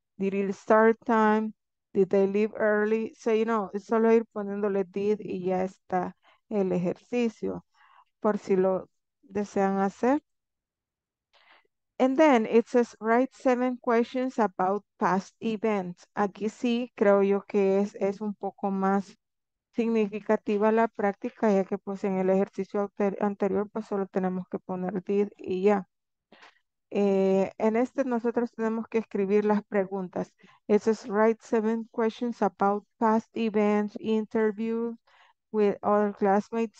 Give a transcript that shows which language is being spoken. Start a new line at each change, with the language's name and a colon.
English: Did it start time? Did they leave early? So, you know,
Spanish: solo ir poniéndole did y ya está el ejercicio, por si lo desean hacer.
English: And then it says, write 7 questions about past events.
Spanish: Aquí sí, creo yo que es un poco más significativa la práctica, ya que pues en el ejercicio anterior pues solo tenemos que poner did y ya. En este nosotros tenemos que escribir las preguntas.
English: It says, write 7 questions about past events, interviews with other classmates.